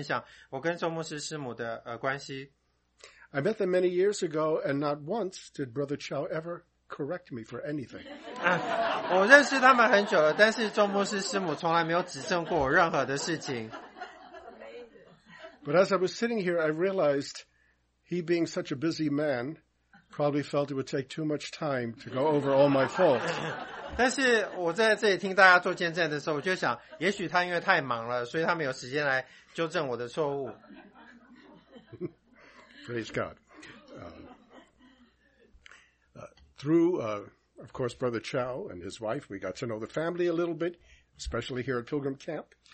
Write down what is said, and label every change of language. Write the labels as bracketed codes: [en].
[zh] 留在家里比较舒服，但是我觉得这是一个荣幸，我能够来到这里跟大家分享我跟周牧师师母的关系。 [en] I met them many years ago, and not once did Brother Chow ever correct me for anything. [zh] 我认识他们很久了，但是周牧师师母从来没有指正过我任何的事情。 [en] But as I was sitting here, I realized he being such a busy man probably felt it would take too much time to go over all my faults. [zh] 但是我在这里听大家做见证的时候，我就想，也许他因为太忙了，所以他没有时间来纠正我的错误。 [en] Praise God. Through, of course, Brother Chow and his wife, we got to know the family a little bit, especially here at Pilgrim Camp.